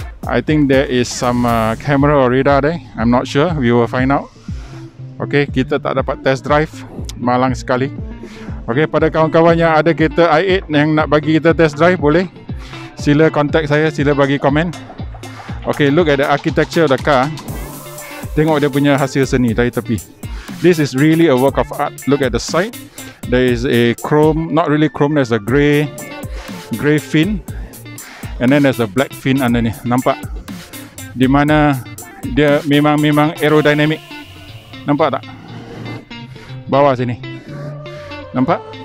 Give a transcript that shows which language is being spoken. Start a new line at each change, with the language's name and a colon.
English: I think there is some camera or radar there. I'm not sure. We will find out. Okay,
Malay: kita tak dapat test drive. Malang sekali. Okay, pada kawan-kawan yang ada kereta i8 yang nak bagi kita test drive, boleh sila contact saya, sila bagi komen.
English: Okay, look at the architecture of the car.
Malay: Tengok dia punya hasil seni dari tepi.
English: This is really a work of art. Look at the side. There is a chrome, not really chrome, there's a grey fin. And then there's a black fin underneath.
Malay: Nampak? Di mana dia memang aerodynamic. Nampak tak? Bawah sini. Nampak?